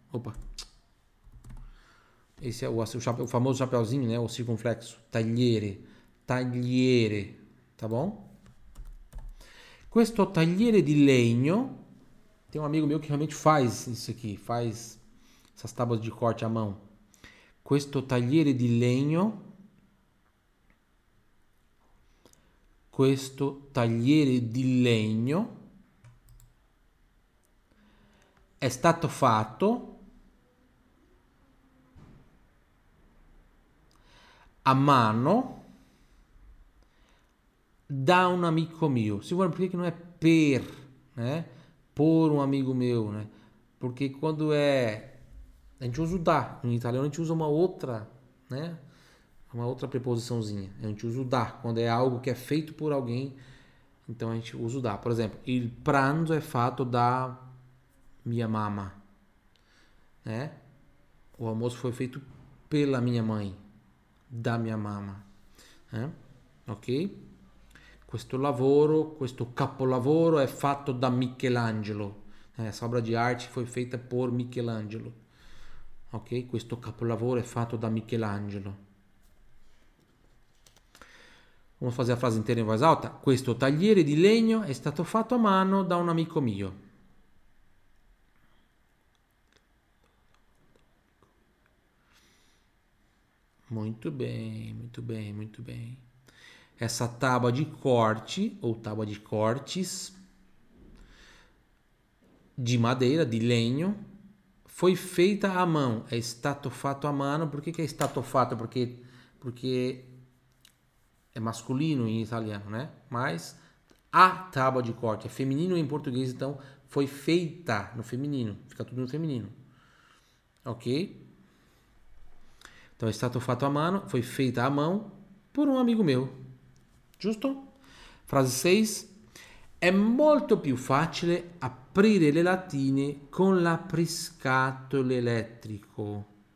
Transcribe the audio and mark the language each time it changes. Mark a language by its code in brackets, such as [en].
[pt] Opa, esse é o famoso chapeuzinho, né? O circunflexo, tagliere, tagliere, tá bom? [it] Questo tagliere di legno, [pt] tem um amigo meu que realmente faz isso aqui, faz essas tábuas de corte à mão. [it] Questo tagliere di legno, questo tagliere di legno, è stato fatto. a mano da [pt] um amigo meu. Se for, por que que não é per, né? Por um amigo meu, né? Porque quando é, a gente usa o da. Em italiano a gente usa uma outra, né? Uma outra preposiçãozinha. A gente usa o da quando é algo que é feito por alguém. Então a gente usa o da. Por exemplo, [it] il pranzo è fatto da mia mamma, [pt] né? O almoço foi feito pela minha mãe, da minha mamma, né? Ok? [it] Questo lavoro, questo capolavoro è fatto da Michelangelo, né? [pt] Essa obra di arte foi feita por Michelangelo. Ok? [it] Questo capolavoro è fatto da Michelangelo. [pt] Vamos fazer a frase inteira em voz alta? [it] Questo tagliere di legno è stato fatto a mano da un amico mio. [pt] Muito bem, muito bem, muito bem. Essa tábua de corte, ou tábua de cortes, de madeira, de lenho, foi feita à mão. [it] È stato fatto a mano. [pt] Por que que è stato fatto? Porque é masculino em italiano, né? Mas a tábua de corte é feminino em português, então foi feita no feminino, fica tudo no feminino. Ok? Então, está fato à mano, foi feita à mão por um amigo meu. Justo? Frase 6. [it] È molto più facile aprire le latine con l'apriscatole elettrico.